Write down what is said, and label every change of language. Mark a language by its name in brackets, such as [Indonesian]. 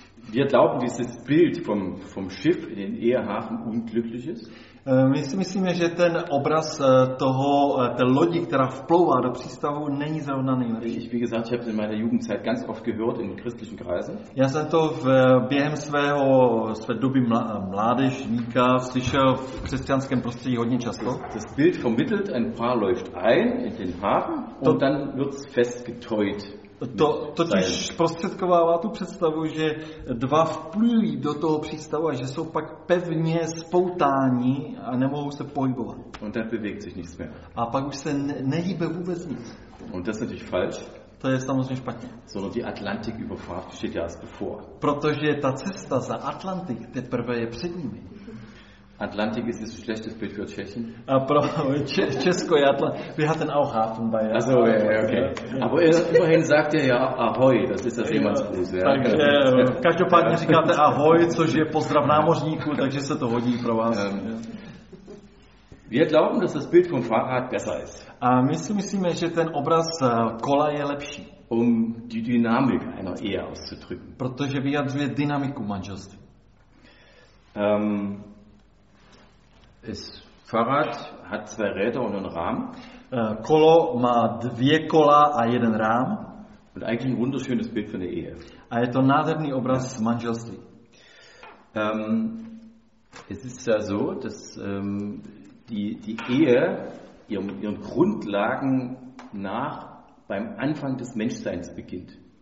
[German] Wir glauben, dass das Bild vom Schiff in den Ehehafen unglücklich ist. [Czech] My si myslíme, že ten obraz té lodi, která vplouvá do přístavu, není zrovna nejlepší. [German] Wie gesagt, ich habe in meiner Jugendzeit ganz oft gehört in christlichen Kreisen. [Czech] Já jsem to během své doby mládežníka slyšel v křesťanském prostředí hodně často. [German] Das Bild vermittelt, ein Paar läuft ein in den Hafen und dann wird es festgetäut. [Czech] Totiž prostředkovává tu představu, že dva vplují do toho přístavu a že jsou pak pevně spoutáni a nemohou se pohybovat. [German] Und dann bewegt sich nichts mehr. [Czech] A pak už se nehýbe vůbec nic. [German] Und das ist natürlich falsch. [Czech] To je samozřejmě špatně. [German] Sondern die Atlantiküberfahrt steht ja erst bevor. [Czech] Protože ta cesta za Atlantik teprve je před nimi. [German] Atlantik ist ein schlechtes Bild für Tschechien. [Czech] Česko je Atlantik. [German] Wir hatten auch Hafen bei Atlantik. Also, ja, okay. Aber immerhin sagt ihr ja Ahoi, das ist das Seemannsgruß. Ja. [Czech] Takže každopádně říkáte Ahoi, což je pozdrav námořníků, takže se to hodí pro vás. [German] Wir glauben, dass das Bild vom Fahrrad besser ist. [Czech] A my si myslíme, že ten obraz kola je lepší. [German] Um die Dynamik einer Ehe auszudrücken. [Czech] Protože vyjadřuje dynamiku manželství. [German] Das Fahrrad hat zwei Räder und einen Rahmen. [Czech] Kolo má dvě kola a jeden rám. [German] Und eigentlich ein wunderschönes Bild von der Ehe. [Czech] A je to nádherný obraz manželství. [German] Es ist ja so, dass die Ehe ihren Grundlagen nach beim Anfang des Menschseins beginnt.